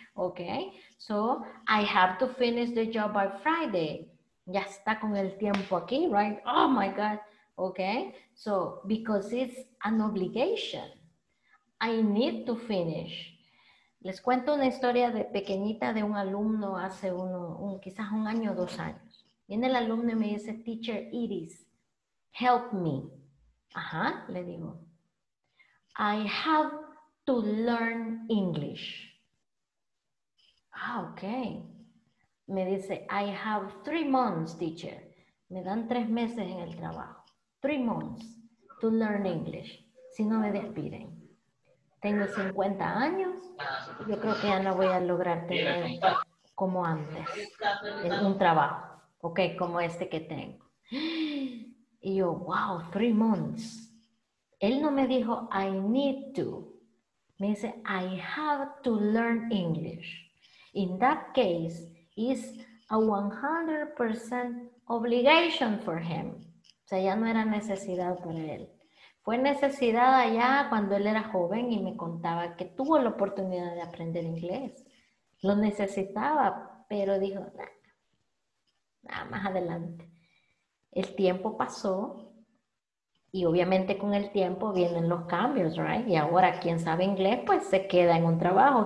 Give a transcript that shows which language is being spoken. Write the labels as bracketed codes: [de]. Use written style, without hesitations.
[en] Okay, so I have to finish the job by Friday. [es] Ya está con el tiempo aquí, [en] right? Oh my God. Okay, so because it's an obligation, I need to finish. [es] Les cuento una historia de pequeñita de un alumno hace quizás un año, dos años. Viene el alumno y me dice, teacher Iris, [en] help me. Ajá, [es] le digo, [en] I have to learn English. Ah, okay. [es] Me dice, [en] I have 3 months, teacher. [es] Me dan 3 meses en el trabajo. [en] 3 months to learn English. [es] Si no me despiden. Tengo 50 años. Yo creo que ya no voy a lograr tener como antes un trabajo. Ok, como este que tengo. Y yo, wow, [en] 3 months. [es] Él no me dijo, [en] I need to. [es] Me dice, [en] I have to learn English. In that case, it's a 100% obligation for him. [es] O sea, ya no era necesidad para él. Fue necesidad allá cuando él era joven y me contaba que tuvo la oportunidad de aprender inglés. Lo necesitaba, pero dijo, nada, más adelante. El tiempo pasó y obviamente con el tiempo vienen los cambios, ¿right? Y ahora quien sabe inglés, pues se queda en un trabajo.